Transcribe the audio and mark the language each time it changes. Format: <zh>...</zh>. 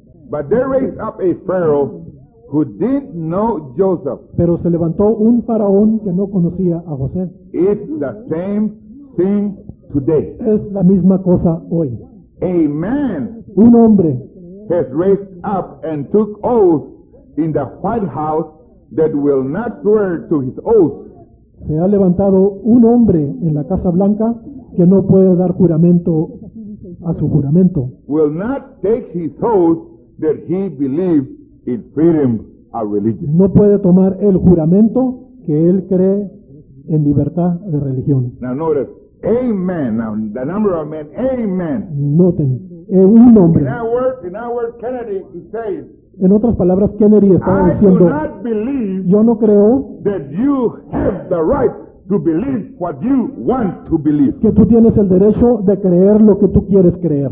<en>But they raised up a Pharaoh who did know Joseph.</en> <es>Pero se levantó un faraón que no conocía a José.</es> <en>It's the same thing today.</en> <es>Es la misma cosa hoy.</es> <en>A man,</en> <es>un hombre,</es> <en>has raised up and took oath in the White House that will not swear to his oath.</en> <es>Se ha levantado un hombre en la Casa Blanca que no puede dar juramento a su juramento.</es> <en>Will not take his oath that he believes in freedom of religion.</en> <es>No puede tomar el juramento que él cree en libertad de religión.</es> <en>Now notice, amen. Now the number of men, amen.</en> <es>Noten, un hombre.</es> <en>In our word, Kennedy is saying.</en> <es>En otras palabras, Kennedy está diciendo.</es> <en>I do not believe.</en> <es>Yo no creo.</es> <en>That you have the right to believe what you want to believe.</en> <es>Que tú tienes el derecho de creer lo que tú quieres creer.</es>